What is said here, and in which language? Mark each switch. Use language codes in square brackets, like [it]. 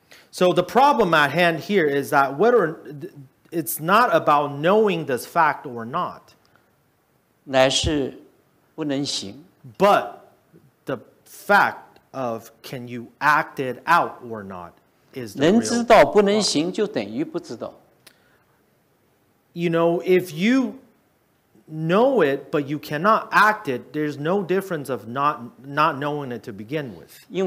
[en] So the problem at hand here is that it's not about knowing this fact or not. [zh] 乃是不能行。 [en] But the fact of can you act it out or not is the [zh] 能知道不能行就等于不知道。 [en] You know, if you know it, but you cannot act it, there's no difference of not knowing it to begin with.